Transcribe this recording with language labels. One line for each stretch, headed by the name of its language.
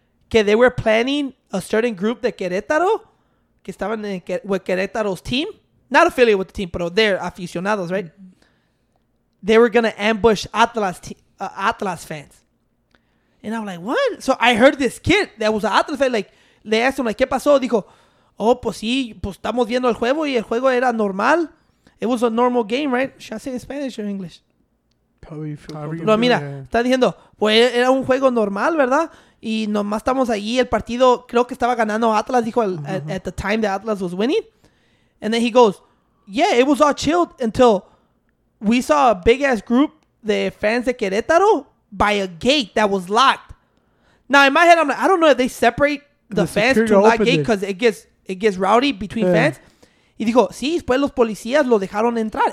English: Que they were planning a certain group de Querétaro,
Spanish: que estaban en
English: with Querétaro's team. Not affiliated with the team, but they're aficionados, right? They were going to ambush Atlas fans. And I'm like, what? So I heard this kid that was an Atlas fan, like, le asked him, like,
Spanish: ¿qué pasó? Dijo, oh, pues sí, pues estamos viendo el juego y el juego era normal.
English: It was a normal game, right? Should I say in Spanish or English? Probably.
Spanish: No, mira, está diciendo, pues era un juego normal, ¿verdad? Y nomás estamos ahí, el partido, creo que estaba ganando Atlas, dijo,
English: at the time that Atlas was winning. And then he goes, yeah, it was all chilled until we saw a big-ass group, the fans of Querétaro, by a gate that was locked. Now, in my head, I'm like, I don't know if they separate the fans to lock gate because it gets rowdy between fans.
Spanish: Y digo, sí, pues los policías lo dejaron entrar.